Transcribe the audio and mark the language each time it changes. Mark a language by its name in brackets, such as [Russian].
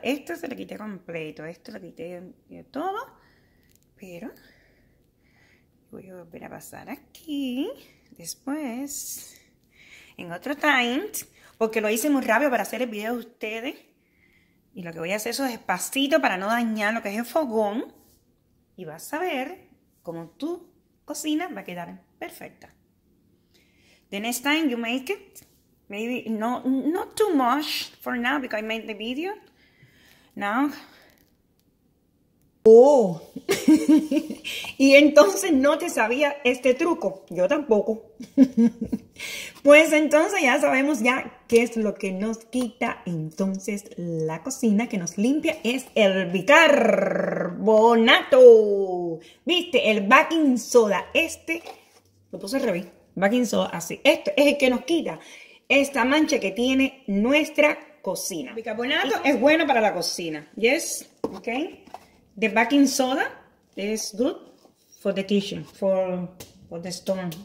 [Spanish] Esto se lo quité completo, esto lo quité yo todo, pero voy a volver a pasar aquí, después, en otro time, porque lo hice muy rápido para hacer el video de ustedes, y lo que voy a hacer es despacito para no dañar lo que es el fogón, y vas a ver cómo tú cocina va a quedar perfecta. [English] The next time you make it, maybe not too much for now because I made the video. Now. Oh. [Spanish] Y entonces no te sabía este truco. Yo tampoco. Pues entonces ya sabemos ya qué es lo que nos quita entonces la cocina que nos limpia es el bicarbonato. ¿Viste? El baking soda. Este, lo puse al revés. Baking soda, así. Esto es el que nos quita esta mancha que tiene nuestra cocina. El bicarbonato es bueno para la cocina. [English] Yes, ok. The baking soda is good for the kitchen, for the stone.